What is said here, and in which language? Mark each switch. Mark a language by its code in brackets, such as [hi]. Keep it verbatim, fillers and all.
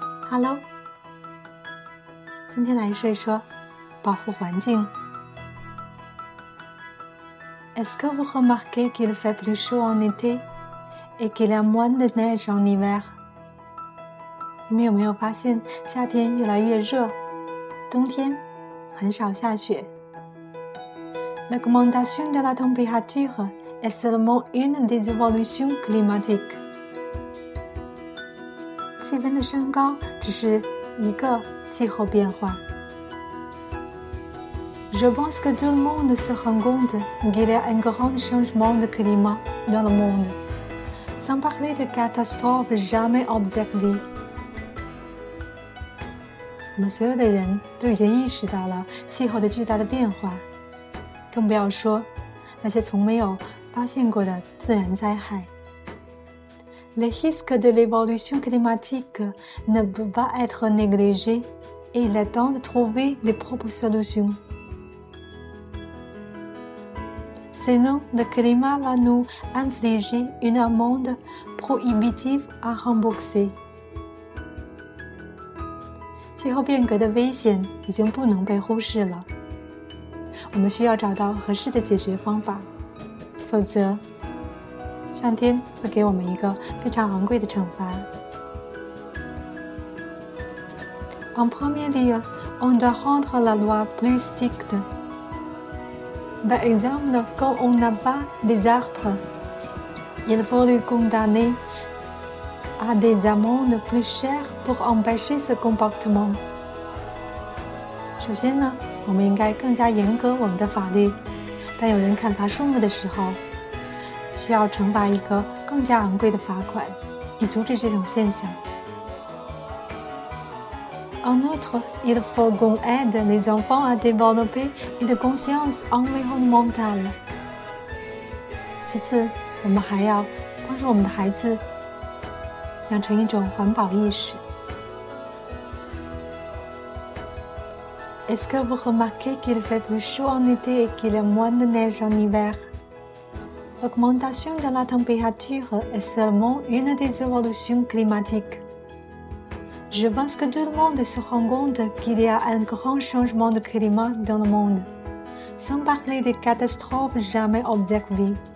[zh] Hello， 今天来说一说保护环境。 [fr] Est-ce que vous remarquez qu'il fait plus chaud en été et qu'il y a moins de neige en hiver？ [zh] 你们有没有发现夏天越来越热，冬天很少下雪？ [fr] L'augmentation de la température est seulement une des évolutions climatiques。 [zh] 气温的升高只是一个气候变化。 [fr] Je pense que tout le monde se rend compte qu'il y a un grand changement de climat dans le monde, sans parler de catastrophes jamais observées。 [zh] 我们所有的人都已经意识到了气候的巨大的变化，更不要说那些从没有发现过的自然灾害。 [fr] Les risques de l'évolution climatique ne peuvent pas être négligés et il est temps de trouver les propres solutions. Sinon, le climat va nous infliger une amende prohibitive à rembourser. [zh] 气候变革的危险已经不能被忽视了，我们需要找到合适的解决方法，否则上天会给我们一个非常昂贵的惩罚。 [fr] En premier lieu, on doit rendre la loi plus stricte. Par exemple, quand on abat des arbres, il faut les condamner à des amendes plus chères pour empêcher ce comportement. [zh] 首先呢，我们应该更加严格我们的法律。当有人砍伐树木的时候，需要惩罚一个更加昂贵的罚款，以阻止这种现象。 [fr] En outre, il faut qu'on aide les enfants à développer une conscience environnementale. [zh] 其次，我们还要帮助我们的孩子养成一种环保意识。 [fr] Est-ce que vous remarquez qu'il fait plus chaud en été et qu'il y a moins de neige en hiver? L'augmentation de la température est seulement une des évolutions climatiques. Je pense que tout le monde se rend compte qu'il y a un grand changement de climat dans le monde, sans parler des catastrophes jamais observées.